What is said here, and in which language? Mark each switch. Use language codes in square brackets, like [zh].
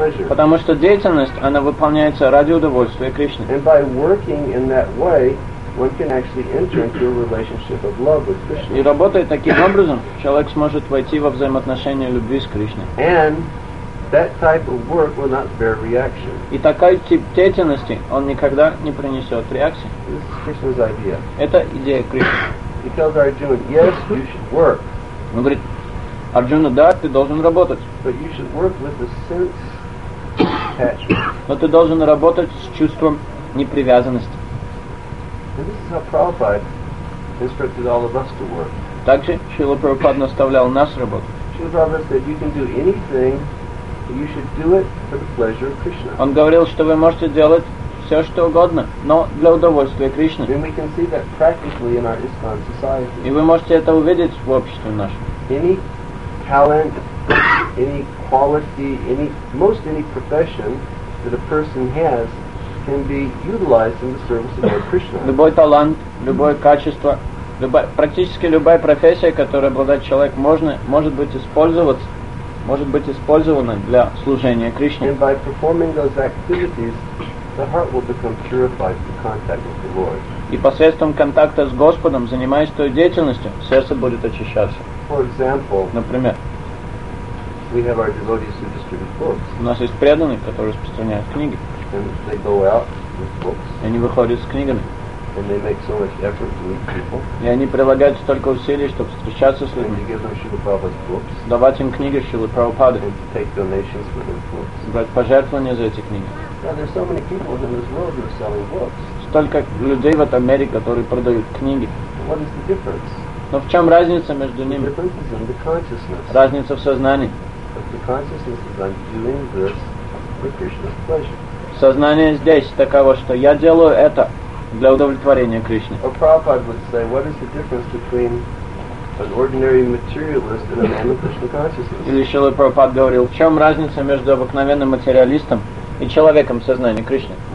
[ru] Потому что деятельность, она выполняется ради удовольствия Кришны. [en] And by working in that way, one can actually enter into a relationship of love with Krishna. [ru] И работая таким образом, человек сможет войти во взаимоотношения любви с Кришной. [en] And that type of work will not bear reaction. [ru] И такой тип деятельности, он никогда не принесет реакции. [en] This is Krishna's idea. [ru] Это идея Кришны. [en] He tells Arjuna, "Yes, you should work." [ru] Он говорит, Арджуна, да, ты должен работать. [en] But you should work with a sense attachment. [ru] Но ты должен работать с чувством непривязанности. [en] And this is how Prabhupada instructed all of us to work. [ru] Также Шрила Прабхупада наставлял нас работать. [en] Шрила Прабхупада said, "You can do anything, but you should do it for the pleasure of Krishna." [ru] Он говорил, что вы можете делать все что угодно, но для удовольствия Кришны. [en] And we can see that practically in our ISKCON society. [ru] И вы можете это увидеть в обществе нашем. [en] Any talent, any quality, most any profession that a person has can be utilized in the service of Lord Krishna. [ru] Любой талант, любое качество, практически любая профессия, которой обладает человек, может быть использована для служения Кришне. [en] And by performing those activities, the heart will become purified through contact with the Lord. [ru] И посредством контакта с Господом, занимаясь той деятельностью, сердце будет очищаться. [en] For example, [ru] например, [en] we have our devotees who distribute books. [ru] У нас есть преданные, которые распространяют книги. [en] And they go out with books. [ru] И они выходят с книгами. [en] And they make so much effort to meet people. [ru] И они прилагают столько усилий, чтобы встречаться с людьми. [en] And give them Шрила Прабхупада's books. [ru] Давать им книги Шрилы Прабхупады. [en] And to take donations for their books. [ru] Брать пожертвования за эти книги. [en] Now there's so many people in this world who are selling books. [ru] только людей в этом мире, которые продают книги. [en] What is the difference? [ru] Но в чем разница между ними? [en] The difference is in the consciousness. [ru] Разница в сознании. [en] The consciousness is I'm doing this for Krishna's pleasure. [ru] Сознание здесь таково, что я делаю это для удовлетворения Кришны. [en] Or Prabhupada would say, what is the difference between an ordinary materialist and a man of Krishna consciousness? [ru] Или Шрила Прабхупада говорил, в чем разница между обыкновенным материалистом и человеком в сознании Кришны?